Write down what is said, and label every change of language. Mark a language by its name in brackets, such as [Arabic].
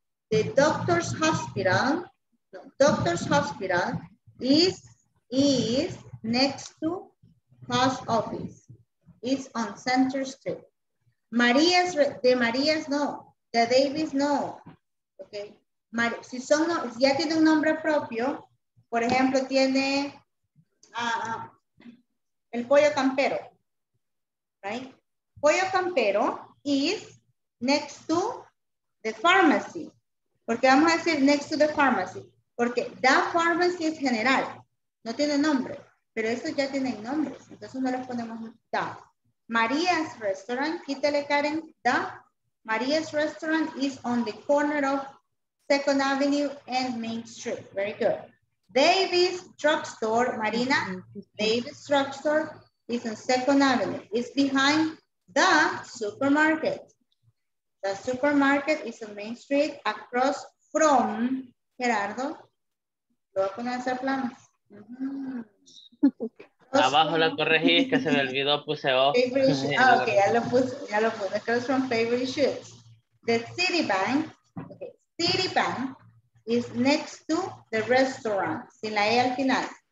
[English] The doctor's hospital is next to post office. It's on Center Street. Maria's, the Maria's, no. The Davis, no. Okay. [Spanish] Si son, si ya tiene un nombre propio, por ejemplo, tiene el pollo campero. [English] Right? Pollo campero is next to the pharmacy. [Spanish] Porque vamos a decir [English] next to the pharmacy. [Spanish] Porque the pharmacy es general. No tiene nombre. Pero esos ya tienen nombres. Entonces no los ponemos the. María's restaurant, quítale Karen, the. [English] María's restaurant is on the corner of Second Avenue and Main Street. Very good. David's drugstore, Marina, David's drugstore is on Second Avenue. It's behind the supermarket. The supermarket is on Main Street across from Gerardo. [Spanish] Lo voy a poner a hacer planos. Abajo la corregí, que se me olvidó, puse off. Ya lo puse. [English] Across from Favorite Shoes. The Citibank, Citibank is next to the restaurant, [Spanish] sin la E al final.